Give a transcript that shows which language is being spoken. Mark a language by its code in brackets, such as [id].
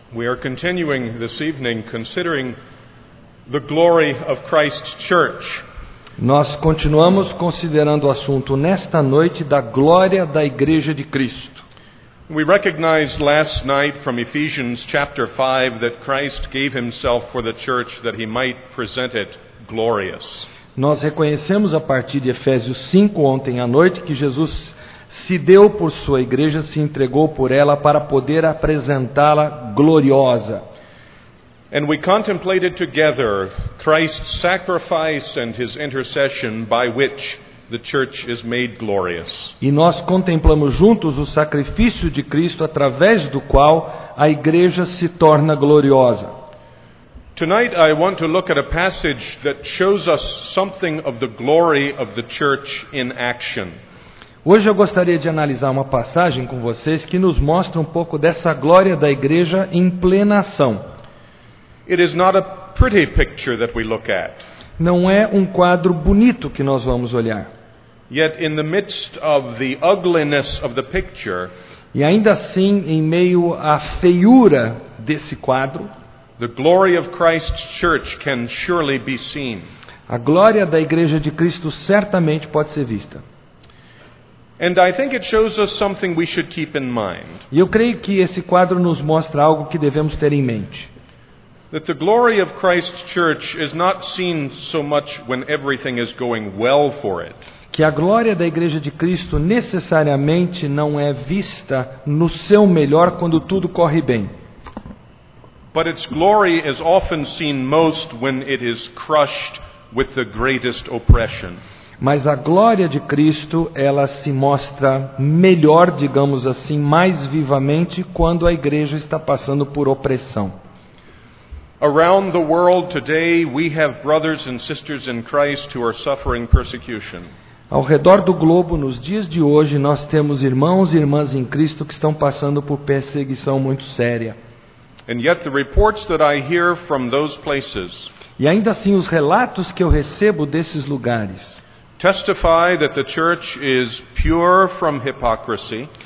[en] We are continuing this evening considering the glory of Christ's church. [pt] Nós continuamos considerando o assunto nesta noite da glória da Igreja de Cristo. [en] We recognized last night from Ephesians chapter 5 that Christ gave himself for the church that he might present it glorious. [pt] Nós reconhecemos a partir de Efésios 5 ontem à noite que Jesus se deu por sua igreja, se entregou por ela para poder apresentá-la gloriosa. [en] And we contemplated together Christ's sacrifice and his intercession by which the church is made glorious. [pt] E nós contemplamos juntos o sacrifício de Cristo através do qual a igreja se torna gloriosa. [en] Tonight I want to look at a passage that shows us something of the glory of the church in action. [pt] Hoje eu gostaria de analisar uma passagem com vocês que nos mostra um pouco dessa glória da igreja em plena ação. [en] It is not a pretty picture that we look at. [pt] Não é um quadro bonito que nós vamos olhar. [en] Yet in the midst of the ugliness of the picture, [pt] e ainda assim, em meio à feiura desse quadro, [en] the glory of Christ's church can surely be seen. [pt] A glória da Igreja de Cristo certamente pode ser vista. [en] And I think it shows us something we should keep in mind. [pt] E eu creio que esse quadro nos mostra algo que devemos ter em mente. [en] That the glory of Christ's church is not seen so much when everything is going well for it. [pt] Que a glória da Igreja de Cristo necessariamente não é vista no seu melhor quando tudo corre bem. [en] But its glory is often seen most when it is crushed with the greatest oppression. [pt] Mas a glória de Cristo, ela se mostra melhor, digamos assim, mais vivamente quando a igreja está passando por opressão. [en] Around the world today, we have brothers and sisters in Christ who are suffering persecution. [pt] Ao redor do globo, nos dias de hoje, nós temos irmãos e irmãs em Cristo que estão passando por perseguição muito séria. [en] And yet the reports that I hear from those places, [pt] e ainda assim os relatos que eu recebo desses lugares, [en] testify that the church is pure from hypocrisy,